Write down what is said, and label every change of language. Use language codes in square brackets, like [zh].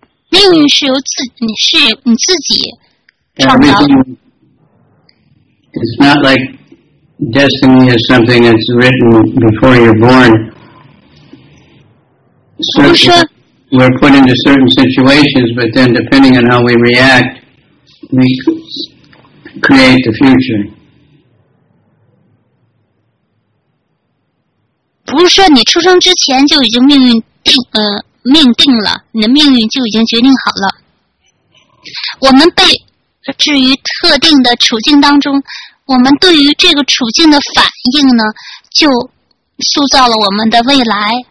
[zh] 命运是由自己是你自己创造的。 [en] It's not like destiny is something that's written before you're born. So we're put into certain situations, but then depending on how we react, we create the future. [zh] 不是说你出生之前就已经命运定命定了，你的命运就已经决定好了。我们被置于特定的处境当中，我们对于这个处境的反应呢，就塑造了我们的未来。